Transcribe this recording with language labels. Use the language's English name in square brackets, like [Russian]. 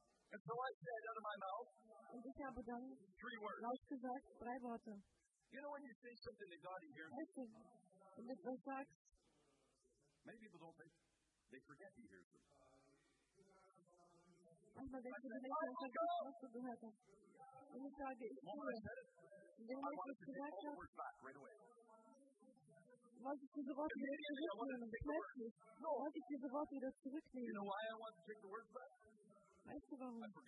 [English] And so I said out of my mouth. [German] Und ich habe dann [English] three words. [German] Laut gesagt, drei Worte. [English] You know when you say something to God in here? [German] Weißt du, wenn du das sagst, [English] many people don't think, they forget he hears them. [German] Manchmal denkst du, du denkst, dass du das so gehört hast. Und ich sage, ich höre. In dem Moment, wo ich gesagt habe, wollte ich diese Worte wieder zurücknehmen. Plötzlich wollte ich diese Worte wieder zurücknehmen. Weißt du warum?